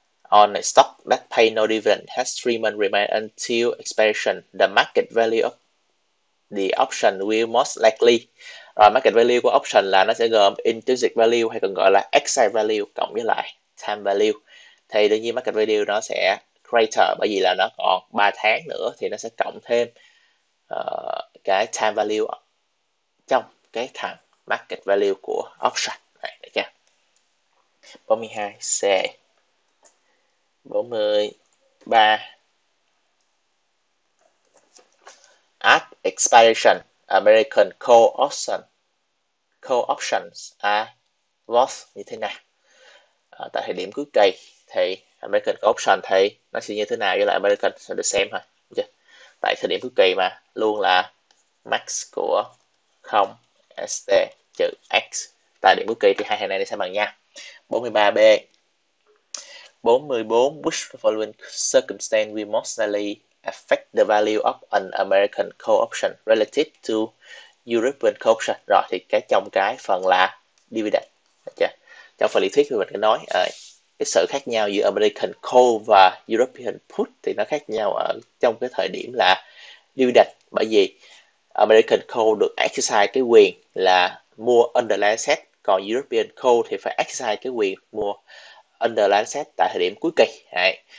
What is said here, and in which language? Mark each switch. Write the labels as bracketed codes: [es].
[en] On a stock that pay no dividend has 3 months remain until expiration, the market value of the option will most likely. [vi] Rồi, market value của option là nó sẽ gồm intrinsic value hay còn gọi là exit value cộng với lại time value. Thì đương nhiên market value nó sẽ greater bởi vì là nó còn 3 tháng nữa thì nó sẽ cộng thêm cái time value trong cái thằng market value của option này được chưa? [en] 42 C 43 at expiration American call options are worth [vi] như thế nào? Tại thời điểm cuối kỳ thì American có option thì nó sẽ như thế nào, với lại American sẽ được xem thôi. Okay. Tại thời điểm cuối kỳ mà luôn là max của 0 ST trừ X. Tại điểm cuối kỳ thì hai hàng này nó sẽ bằng nhau. [en] 43B 44 Which following circumstance will most likely affect the value of an American call option relative to European call option. [vi] Rồi thì cái trong cái phần là dividend. Okay. Trong phần lý thuyết thì mình có nói cái sự khác nhau giữa American call và European put thì nó khác nhau ở trong cái thời điểm là dividend, bởi vì American call được exercise cái quyền là mua underlying asset, còn European call thì phải exercise cái quyền mua underlying asset tại thời điểm cuối kỳ. Đấy.